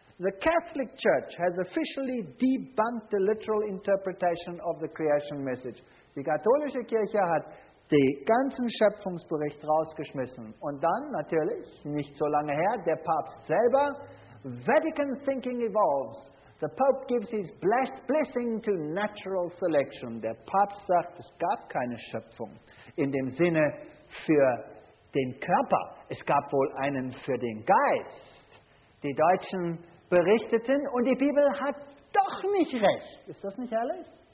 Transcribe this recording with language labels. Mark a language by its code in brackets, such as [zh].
[en] The Catholic Church has officially debunked the literal interpretation of the creation message. [de] Die katholische Kirche hat den ganzen Schöpfungsbericht rausgeschmissen. Und dann natürlich, nicht so lange her, der Papst selber, [en] Vatican thinking evolves. The Pope gives his blessing to natural selection. [de] Der Papst sagt, es gab keine Schöpfung in dem Sinne für den Körper. Es gab wohl einen für den Geist. Die Deutschen berichteten und die Bibel hat doch nicht recht. Ist das nicht herrlich?